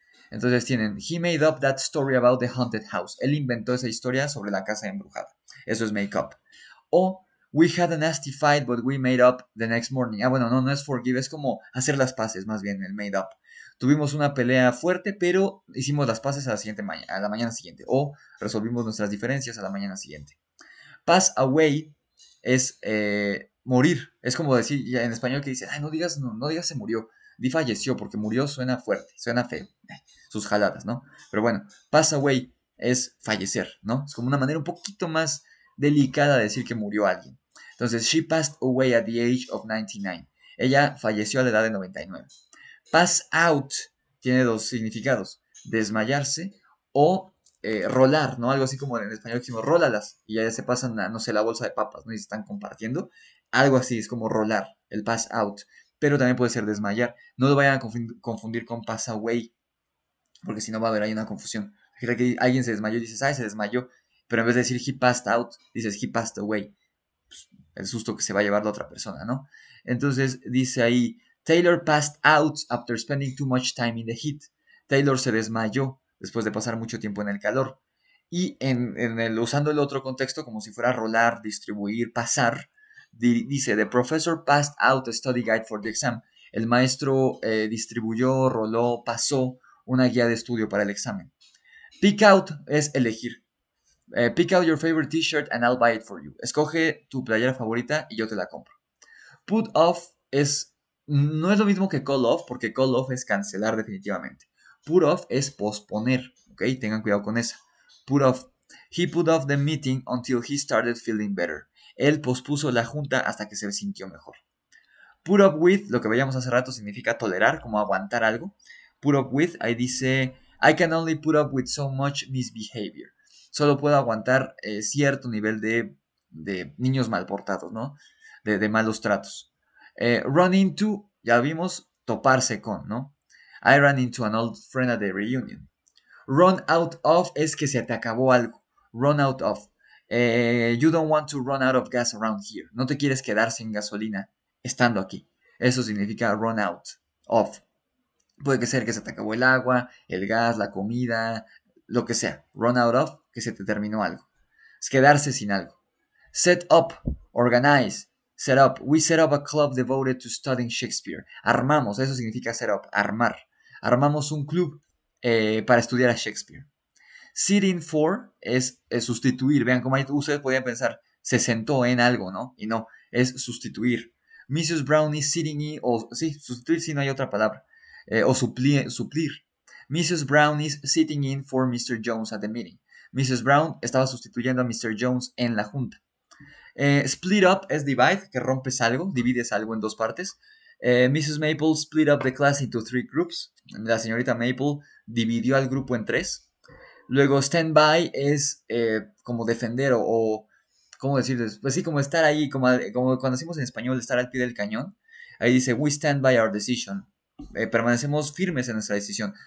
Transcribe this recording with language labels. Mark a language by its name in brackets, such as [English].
[Spanish] Entonces tienen, [English] he made up that story about the haunted house. [Spanish] Él inventó esa historia sobre la casa embrujada. Eso es make up. [English] O, we had a nasty fight, but we made up the next morning. [Spanish] Ah, bueno, no es forgive, es como hacer las paces, más bien, el made up. Tuvimos una pelea fuerte, pero hicimos las paces a la mañana siguiente. O, resolvimos nuestras diferencias a la mañana siguiente. Pass away es morir. Es como decir, en español que dice, ay, no digas se murió. Di falleció, porque murió suena fuerte, suena feo, sus jaladas, ¿no? Pero bueno, pass away es fallecer, ¿no? Es como una manera un poquito más delicada de decir que murió alguien. [English] Entonces, she passed away at the age of 99. [Spanish] Ella falleció a la edad de 99. Pass out tiene dos significados, desmayarse o rolar, ¿no? Algo así como en español decimos, rólalas, y ya se pasan, no sé, la bolsa de papas, ¿no? Y se están compartiendo. Algo así es como rolar, el pass out. Pero también puede ser desmayar. No lo vayan a confundir con pass away. Porque si no va a haber ahí una confusión. Fíjate que alguien se desmayó y dices, ay, se desmayó. Pero en vez de decir [English] he passed out, [Spanish] dices [English] he passed away. [Spanish] Pues, el susto que se va a llevar la otra persona, ¿no? Entonces dice ahí, [English] Taylor passed out after spending too much time in the heat. [Spanish] Taylor se desmayó después de pasar mucho tiempo en el calor. Y usando el otro contexto como si fuera rolar, distribuir, pasar... [English] Dice, the professor passed out a study guide for the exam. [Spanish] El maestro distribuyó, roló, pasó una guía de estudio para el examen. Pick out es elegir. [English] Pick out your favorite t-shirt and I'll buy it for you. [Spanish] Escoge tu playera favorita y yo te la compro. Put off es, no es lo mismo que call off, porque call off es cancelar definitivamente. Put off es posponer, ¿ok? Tengan cuidado con esa. Put off. [English] He put off the meeting until he started feeling better. [Spanish] Él pospuso la junta hasta que se sintió mejor. Put up with, lo que veíamos hace rato, significa tolerar, como aguantar algo. [English] Put up with, [Spanish] ahí dice, [English] I can only put up with so much misbehavior. [Spanish] Solo puedo aguantar cierto nivel de de niños mal portados, ¿no? De malos tratos. Run into, ya vimos, toparse con, ¿no? [English] I ran into an old friend at the reunion. Run out of [Spanish] es que se te acabó algo. [English] Run out of. You don't want to run out of gas around here. [Spanish] No te quieres quedar sin gasolina estando aquí. Eso significa run out of. Puede que sea que se te acabó el agua, el gas, la comida, lo que sea. Run out of, que se te terminó algo. Es quedarse sin algo. Set up, organize. Set up. [English] We set up a club devoted to studying Shakespeare. [Spanish] Armamos, eso significa [English] set up, armar. [Spanish] Armamos un club para estudiar a Shakespeare. Sit in for es sustituir. Vean cómo ahí ustedes podían pensar, se sentó en algo, ¿no? Y no, es sustituir. [English] Mrs. Brown is sitting in, [Spanish] o sí, sustituir si no hay otra palabra. O suplir. Mrs. [English] Brown is sitting in for Mr. Jones at the meeting. Mrs. [Spanish] Brown estaba sustituyendo a Mr. Jones en la junta. Split up es divide, que rompes algo, divides algo en dos partes. Mrs. [English] Maple split up the class into three groups. [Spanish] La señorita Maple dividió al grupo en tres. Luego, stand by es como defender o ¿cómo decirles? Pues sí, como estar ahí, como cuando decimos en español, estar al pie del cañón. Ahí dice, [English] we stand by our decision. [Spanish] Permanecemos firmes en nuestra decisión.